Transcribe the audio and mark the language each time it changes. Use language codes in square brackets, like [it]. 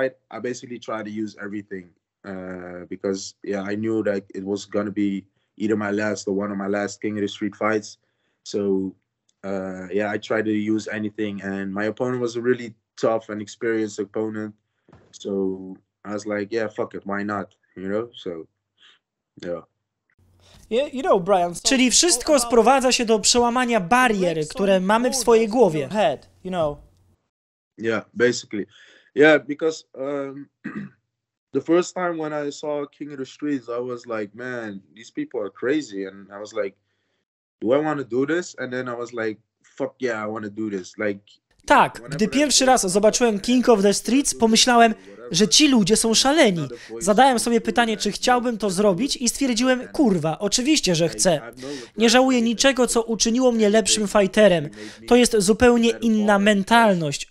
[en] I basically try to use everything because yeah, I knew that it was gonna be either my last or one of my last King of the Street fights. So yeah, I tried to use anything, and my opponent was a really tough and experienced opponent. So I was like, yeah, fuck it, why not? You know, so yeah. You know, Brian, so [pl] czyli wszystko sprowadza się do przełamania barier, które mamy w swojej głowie. [en] Head, you know. Yeah, basically. Yeah, because the first time when I saw King of the Streets, I was like, man, these people are crazy. And I was like, do I want to do this? And then I was like, fuck yeah, I want to do this. Like, [pl] tak, gdy pierwszy raz zobaczyłem King of the Streets, pomyślałem, że ci ludzie są szaleni. Zadałem sobie pytanie, czy chciałbym to zrobić i stwierdziłem, kurwa, oczywiście, że chcę. Nie żałuję niczego, co uczyniło mnie lepszym fighterem. To jest zupełnie inna mentalność.